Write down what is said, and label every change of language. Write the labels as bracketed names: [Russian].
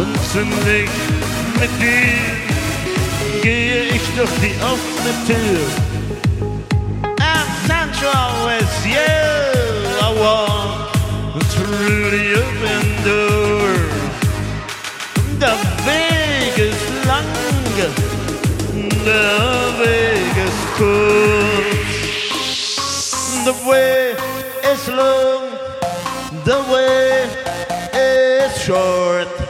[German] Sündig mit dir gehe ich durch die offene Tür. [English] I'm sensual with you. I walk through the open door. [German] Der Weg ist lang, der Weg ist kurz. [English] The way is long, the way is short.